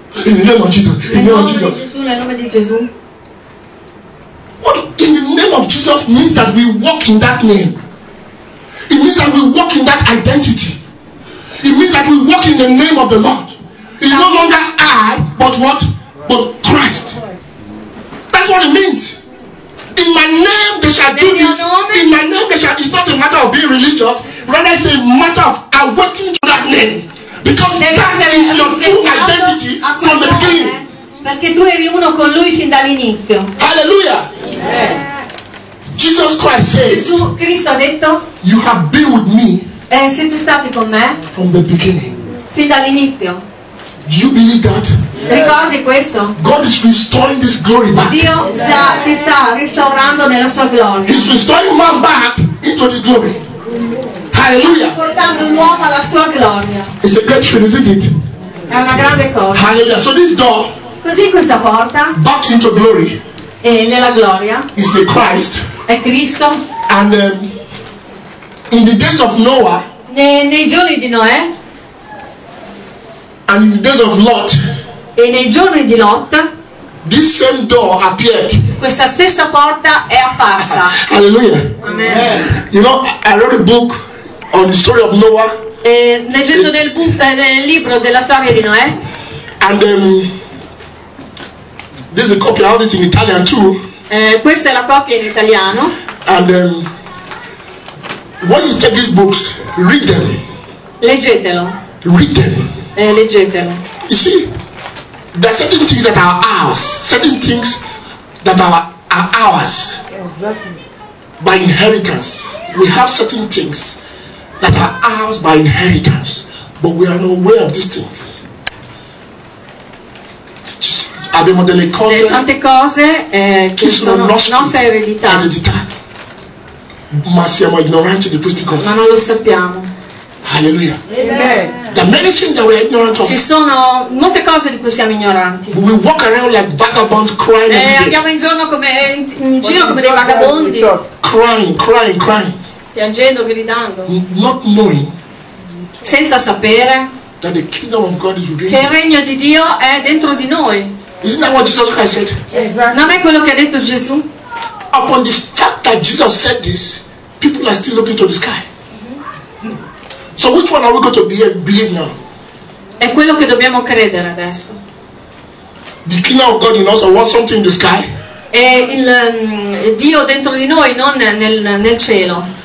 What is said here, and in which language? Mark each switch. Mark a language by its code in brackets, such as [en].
[en] In the name of Jesus. In the name of Jesus. [it] Nel nome di Gesù. [en] What in the name of Jesus means that we walk in that name. It means that we walk in that identity. It means that we walk in the name of the Lord. It's no longer I, but what? But Christ. That's what it means. in my name they shall do this. In my name they shall. It's not a matter of being religious, rather it's a matter of awakening to that name, because that is your true identity from the beginning. [it] Perché tu eri uno con lui fin dall'inizio. [en] Hallelujah. Jesus Christ says. [it] Gesù Cristo ha detto. [en] You have been with me. [it] Siete stati con me. [en] From the beginning. [it] Fin dall'inizio. [en] Do you believe that? [it] Yes. Ricordi questo. [en] God is restoring this glory back. [it] Dio sta, ti sta restaurando nella sua gloria. [en] He's restoring man back into his glory. Hallelujah. [it] Portando l'uomo alla sua gloria. [en] It's a great thing, isn't it? [it] È una grande cosa. [en] Hallelujah. So this door. [it] Così questa porta. [en] Back into glory. [it] E nella gloria. [en] Is the Christ. [it] È Cristo. [en] And in the days of Noah. [it] Nei giorni di Noè. [en] And in the days of Lot. [it] E nei giorni di Lot. [en] This same door appeared. [it] Questa stessa porta è apparsa. [en] Hallelujah. Amen. You know, I read a book on the story of Noah. [it] E leggendo nel libro della storia di Noè. [en] And this is a copy of it in Italian too. [it] Questa è la copia in italiano. [en] And when you take these books, read them. [it] Leggetelo. [en] Read them. [it] Leggetelo. [en] You see, there are certain things that are ours, certain things that are ours. Exactly. By inheritance. We have certain things that are ours by inheritance, but we are not aware of these things. [it] Abbiamo delle cose, tante cose che sono nostre eredità, ma siamo ignoranti di queste cose. Ma non lo sappiamo. Alleluia. Amen. [en] There are many things that we are ignorant of. [it] Ci sono molte cose di cui siamo ignoranti. [en] We walk around like vagabonds crying. [it] Andiamo in giro come dei vagabondi. [en] Crying. [it] Piangendo, gridando. [en] Not knowing. [it] Senza sapere. [en] That the kingdom of God is within. [it] Che il regno di Dio è dentro di noi. [en] Isn't that what Jesus Christ said? Exactly. [it] Non è quello che ha detto Gesù? [en] Upon the fact that Jesus said this, people are still looking to the sky. So which one are we going to believe now? [it] È quello che dobbiamo credere adesso. [en] The kingdom of God in us, or what, something in the sky? [it] È il Dio dentro di noi, non nel cielo.